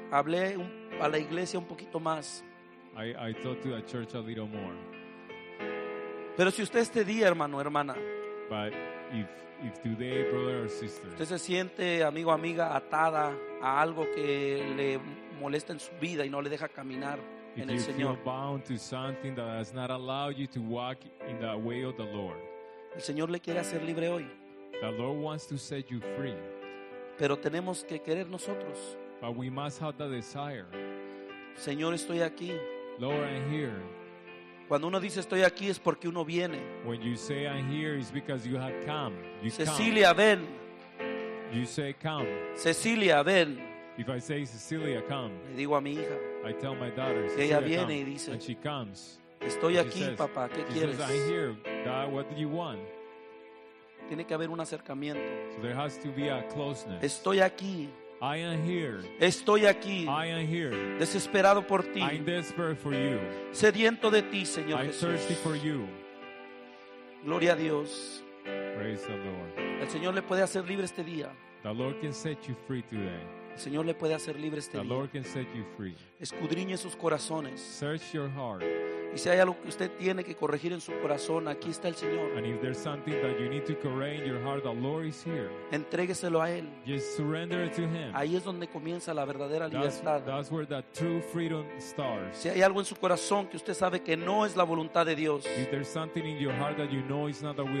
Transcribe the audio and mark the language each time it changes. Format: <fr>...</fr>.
<es>Hablé a la iglesia un poquito más.</es> <en>I talked to the church a little more.</en> <es>Pero si usted este día, hermano, hermana.</es> <en>But if today, brother or sister.</en> <es>Usted se siente, amigo, amiga, atada a algo que le molesta en su vida y no le deja caminar en el Señor.</es> <en>If you feel bound to something that has not allowed you to walk in the way of the Lord.</en> <es>El Señor le quiere hacer libre hoy.</es> <en>The Lord wants to set you free.</en> <es>Pero tenemos que querer nosotros.</es> <en>But we must have the desire.</en> <es>Señor, estoy aquí.</es> <en>Lord, I'm here.</en> <es>Cuando uno dice estoy aquí es porque uno viene.</es> <en>When you say I'm here, it's because you have come. You Cecilia, come.</en> <es>Ven.</es> <en>You say come.</en> <es>Cecilia, ven.</es> <en>If I say Cecilia, come.</en> <es>Le digo a mi hija.</es> <en>I tell my daughter.</en> <es>Que ella viene y dice.</es> <en>And she comes.</en> <es>Estoy aquí, papá. ¿Qué quieres?</es> <en>She says, I'm here. God, what do you want?</en> <es>Tiene que haber un acercamiento.</es> <en>So there has to be a closeness.</en> <es>Estoy aquí.</es> <en>I am here.</en> <es>Estoy aquí.</es> <en>I am here.</en> <es>Desesperado por ti.</es> <en>I'm desperate for you.</en> <es>Sediento de ti, Señor Jesús.</es> <en>I'm thirsty for you.</en> <es>Gloria a Dios.</es> <en>Praise the Lord.</en> <es>El Señor le puede hacer libre este día.</es> <en>The Lord can set you free today.</en> <es>El Señor le puede hacer libre este</es> <en>the</en> <es>día.</es> <en>The Lord can set you free.</en> <es>Escudriñe sus corazones.</es> <en>Search your heart.</en> <es>Y si hay algo que usted tiene que corregir en su corazón, aquí está el Señor.</es> <en>And if there's something that you need to correct in your heart, the Lord is here.</en> <es>Entrégueselo a Él.</es> <en>Just surrender it to Him.</en> <es>Ahí es donde comienza la verdadera libertad.</es> <en>That's where the true freedom starts.</en> <es>Si hay algo en su corazón que usted sabe que no es la voluntad de Dios,</es> <en>if there's something in your heart that you know is not the will,</en>